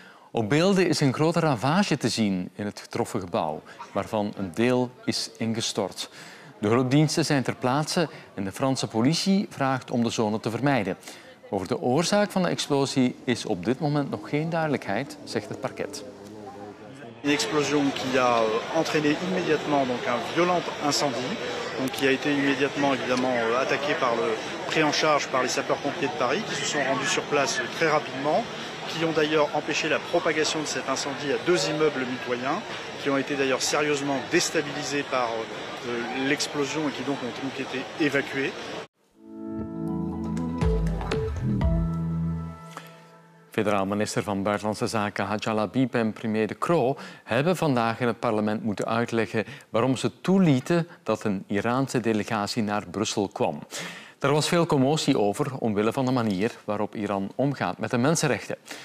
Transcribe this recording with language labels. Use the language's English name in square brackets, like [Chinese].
[Dutch] Op beelden is een grote ravage te zien in het getroffen gebouw, waarvan een deel is ingestort. De hulpdiensten zijn ter plaatse en de Franse politie vraagt om de zone te vermijden. Over de oorzaak van de explosie is op dit moment nog geen duidelijkheid, zegt het parquet. [French] Une explosion qui a entraîné immédiatement donc un violent incendie, donc qui a été immédiatement évidemment attaqué par le pris en charge par les sapeurs-pompiers de Paris qui se sont rendus sur place très rapidement, qui ont d'ailleurs empêché la propagation de cet incendie à 2 immeubles mitoyens, qui ont été d'ailleurs sérieusement déstabilisés par l'explosion et qui donc ont donc été évacués. [Dutch] Federaal minister van Buitenlandse Zaken Hadja Labib en premier De Croo hebben vandaag in het parlement moeten uitleggen waarom ze toelieten dat een Iraanse delegatie naar Brussel kwam. Er was veel commotie over omwille van de manier waarop Iran omgaat met de mensenrechten.